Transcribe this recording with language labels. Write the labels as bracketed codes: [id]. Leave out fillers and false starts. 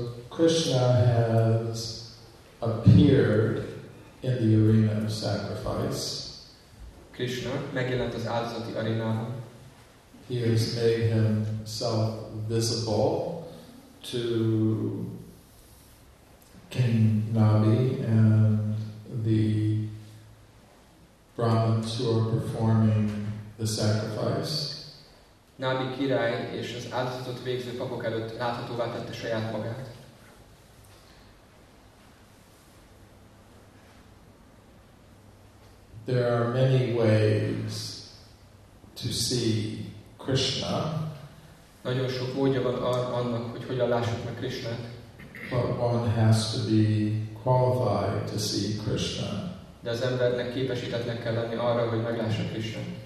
[en] Krishna has appeared in the arena of sacrifice. [hu] Krishna megjelent az áldozati arénában. [en] He has made himself visible to King Nabi and the Brahmins who are performing the sacrifice. [hu] Nabi király és az áldozatot végző papok előtt láthatóvá tette saját magát. [en] There are many ways to see Krishna. [hu] Nagyon sok módja van annak, hogy hogyan lássuk meg Krishnát. [en] But one has to be qualified to see Krishna. [hu] De az embernek képesítetnek kell lenni arra, hogy meglássa Krishnát.